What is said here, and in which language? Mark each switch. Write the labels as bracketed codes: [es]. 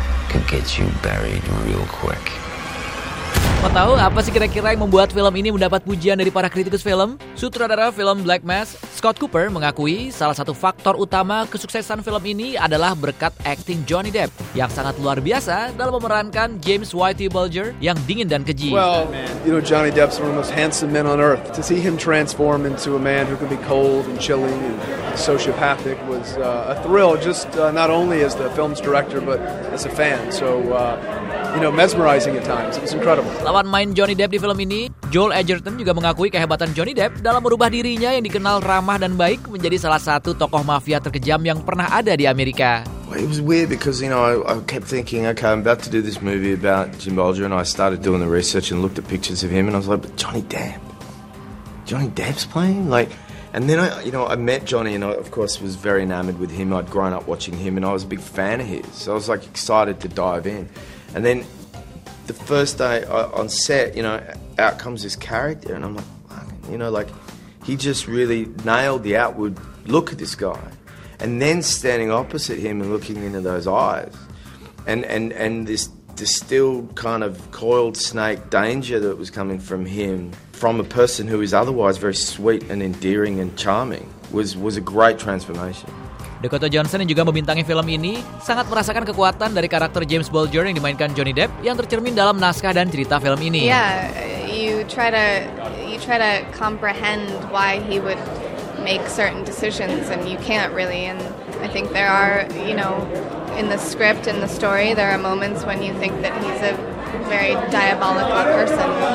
[en] Could get you buried real quick. [id] Mau tahu apa sih kira-kira yang membuat film ini mendapat pujian dari para kritikus film? Sutradara film Black Mass, Scott Cooper, mengakui salah satu faktor utama kesuksesan film ini adalah berkat acting Johnny Depp yang sangat luar biasa dalam memerankan James Whitey Bulger yang dingin dan keji. [en] Well, you know Johnny Depp's one of the most handsome men on earth. To see him transform into a man who can be cold and chilling and sociopathic was a thrill. Just not only as the film's director, but as a fan. So you know, mesmerizing at times. It was incredible. [id] Lawan main Johnny Depp di film ini, Joel Edgerton juga mengakui kehebatan Johnny Depp dalam merubah dirinya yang dikenal ramah dan baik menjadi salah satu tokoh mafia terkejam yang pernah ada di Amerika. [en] Well, it was weird because you know I kept thinking, okay, I'm about to do this movie about Jim Bulger, and I started doing the research and looked at pictures of him, and I was like, but Johnny Depp, Johnny Depp's playing, like, and then I, you know, I met Johnny, and I of course was very enamored with him. I'd grown up watching him, and I was a big fan of his, so I was like excited to dive in. And then the first day on set, you know, out comes this character, and I'm like, fuck, you know, like, he just really nailed the outward look of this guy. And then standing opposite him and looking into those eyes, and this distilled kind of coiled snake danger that was coming from him, from a person who is otherwise very sweet and endearing and charming, was a great transformation. [id] Dakota Johnson yang juga membintangi film ini sangat merasakan kekuatan dari karakter James Bulger yang dimainkan Johnny Depp yang tercermin dalam naskah dan cerita film ini. [en] Yeah, you try to comprehend why he would make certain decisions and you can't really. And I think there are, you know, in the script, in the story, there are moments when you think that he's a very diabolical person.